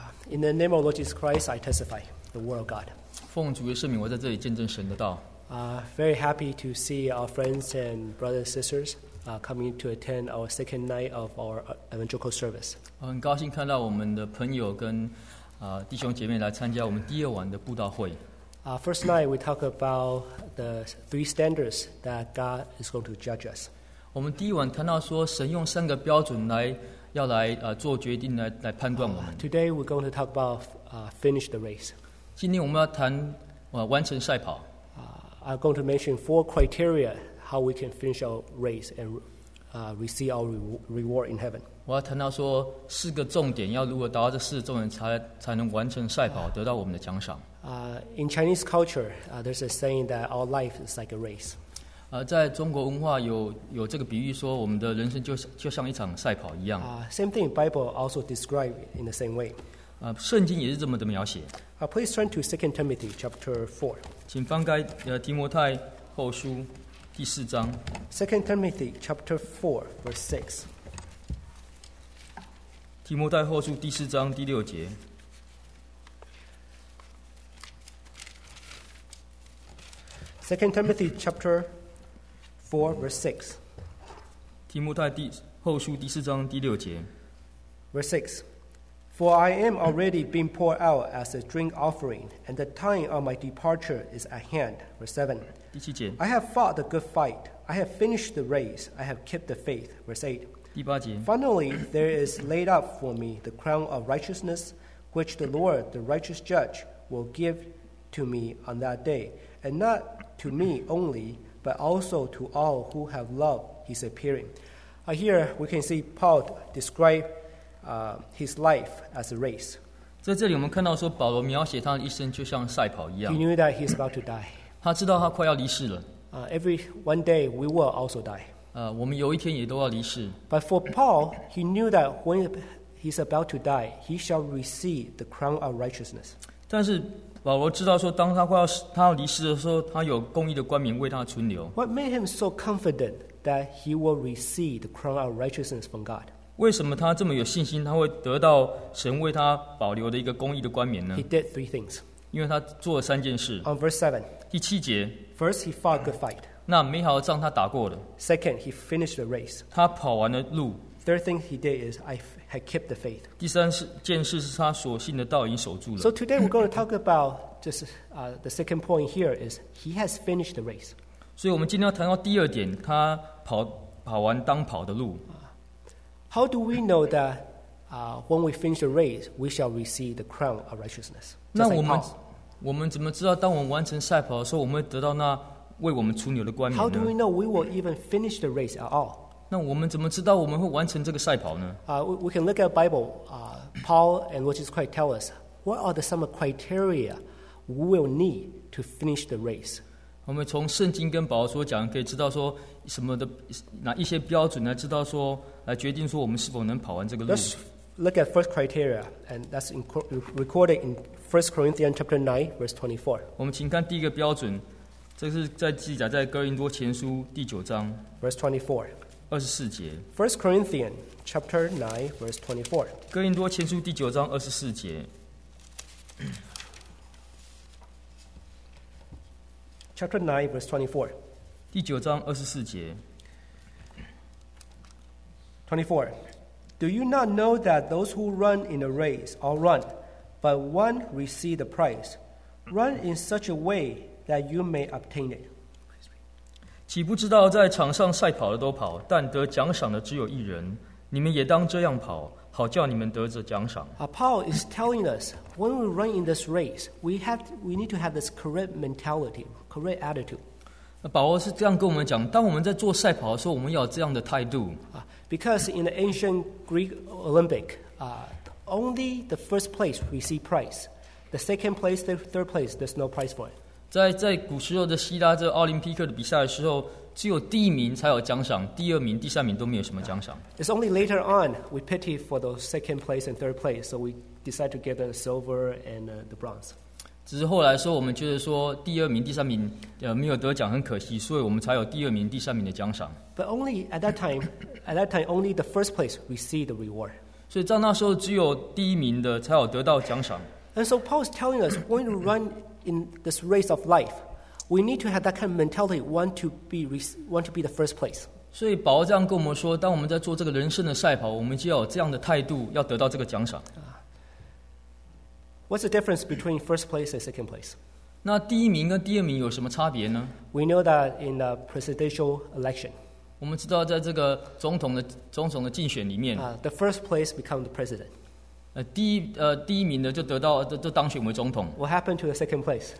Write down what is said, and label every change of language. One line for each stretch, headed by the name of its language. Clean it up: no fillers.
English: In the name of Lord Jesus Christ, I testify the word of God.
Chinese: 奉主耶稣名，我在这里见证神的道。
English: Very happy to see our friends and brothers and sisters coming to attend our second night of our evangelical service.
Chinese: 很高兴看到我们的朋友跟弟兄姐妹来参加我们第二晚的布道会。
English: First night, we talk about the three standards that God is going to judge us.
Chinese: 我们第一晚谈到说，神用三个标准来要来做决定来判断我们。
English: Today we're going to talk about finish the race.
Chinese: 今天我们要谈完成赛跑。
English: I'm going to mention four criteria how we can finish our race and receive our reward in heaven.
Chinese: 我要谈到说四个重点，要如何达到这四个重点才能完成赛跑，得到我们的奖赏。
English: In Chinese culture, there's a saying that our life is like a race.
Chinese: 在中国文化有这个比喻，说我们的人生就像一场赛跑一样。
English: Same thing, Bible also describe in the same way.
Chinese: 圣经也是这么的描写。
English: Please turn to 2 Timothy chapter 4.
Chinese: 请翻开提摩太后书第四章。
English: 2 Timothy chapter 4, verse 6.
Chinese: 提摩太后书第四章第六节。
English: 2 Timothy chapter 4, verse 6.
Chinese: 提摩太后书第四章第六节。
English: Verse 6. For I am already being poured out as a drink offering, and the time of my departure is at hand. Verse 7.
Chinese: 第七节。
English: I have fought the good fight. I have finished the race. I have kept the faith. Verse 8.
Chinese: 第八节。
English: Finally, there is laid up for me the crown of righteousness, which the Lord, the righteous judge, will give to me on that day. And not to me only, but also to all who have loved his appearing. Here we can see Paul describe his life as a race.
Chinese: 在这里我们看到说保罗描写他的一生就像赛跑一样。
English: He knew that he's about to die.
Chinese: 他知道他快要离世了。
English: Every one day we will also die.
Chinese: 我们有一天也都要离世。
English: But for Paul, he knew that when he's about to die, he shall receive the crown of righteousness.
Chinese: 但是保罗知道说当他要离世的时候，他有公义的冠冕为他存留。
English: What made him so confident that he will receive the crown of righteousness from God?
Chinese: 为什么他这么有信心他会得到神为他保留的一个公义的冠冕呢？
English: He did three things.
Chinese: 因为他做了三件事。
English: On verse 7.
Chinese: 第七节。
English: First, he fought a good fight.
Chinese: 那美好的仗他打过了。
English: Second, he finished the race.
Chinese: 他跑完了路。
English: Third thing he did is I had kept the faith.
Chinese: 第三件事是他所信的道已经守住了。
English: So today we're going to talk about just the second point here is he has finished the race.
Chinese: 所以我们今天要谈到第二点，他跑完当跑的路。
English: How do we know that when we finish the race, we shall receive the crown of righteousness?
Chinese: 那我们怎么知道当我们完成赛跑的时候，我们会得到那为我们存留的冠冕呢？
English: How do we know we will even finish the race at all?
Chinese: 那我们怎么知道我们会完成这个赛跑呢？
English: We can look at the Bible. Paul and Lord Jesus Christ tell us what are the some criteria we will need to finish the race.
Chinese: 我们从圣经跟保罗所讲，可以知道说什么的哪一些标准来知道说。来决定说我们是否能跑完这个路。
English: Let's look at first criteria, and that's recorded in 1 Corinthians chapter 9, verse 24.
Chinese: 我们请看第一个标准，这是在记载在哥林多前书第九章
English: ，verse 24，
Chinese: 二十四节。
English: First Corinthians chapter 9, verse 24.
Chinese: 哥林多前书第九章二十四节。
English: Chapter 9, verse 24.
Chinese: 第九章二十四节。
English: 24. Do you not know that those who run in a race all run, but one receive the prize? Run in such a way that you may obtain it.
Chinese: 岂不知道在场上赛跑的都跑，但得奖赏的只有一人。你们也当这样跑，好叫你们得着奖赏。
English: Paul is telling us when we run in this race, we need to have this correct mentality, correct attitude.
Chinese: 保罗是这样跟我们讲，当我们在做赛跑的时候，我们要有这样的态度。
English: Because in the ancient Greek Olympic, only the first place receive prize. The second place, the third place, there's no prize for it.
Chinese: 在古时候的希腊这奥林匹克的比赛的时候，只有第一名才有奖赏，第二名、第三名都没有什么奖赏。
English: It's only later on we pity for those second place and third place, so we decide to get the silver and the bronze.
Chinese: 只是后来说我们觉得说第二名、第三名没有得奖很可惜，所以我们才有第二名、第三名的奖赏。
English: But only at that time, only the first place received the reward.
Chinese: 所以在那时候只有第一名的才有得到奖赏。
English: And so Paul is telling us, when we run in this race of life, we need to have that kind of mentality, want to be the first place.
Chinese: 所以保罗这样跟我们说，当我们在做这个人生的赛跑，我们就要有这样的态度，要得到这个奖赏。
English: What's the difference between first place and second place?
Chinese: 那第一名跟第二名有什么差别呢？
English: We know that in the presidential election,
Chinese: 我们知道在这个总统的竞选里面，
English: the first place become the president.
Chinese: 第一名的就当选为总统。
English: What happened to the second place?